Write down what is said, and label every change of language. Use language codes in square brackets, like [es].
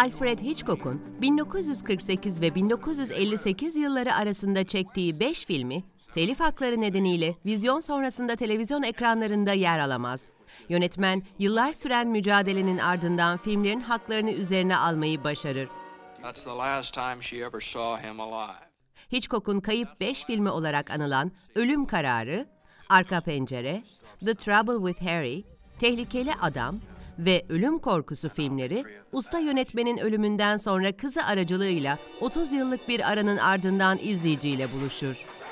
[tr] Alfred Hitchcock'un 1948 ve 1958 yılları arasında çektiği 5 filmi telif hakları nedeniyle vizyon sonrasında televizyon ekranlarında yer alamaz. Yönetmen yıllar süren mücadelenin ardından filmlerin haklarını üzerine almayı başarır. [en] That's the last time she ever saw him alive. [tr] Hitchcock'un kayıp 5 filmi olarak anılan Ölüm Kararı, Arka Pencere, The Trouble with Harry, Tehlikeli Adam ve Ölüm Korkusu filmleri, usta yönetmenin ölümünden sonra kızı aracılığıyla 30 yıllık bir aranın ardından izleyiciyle buluşur.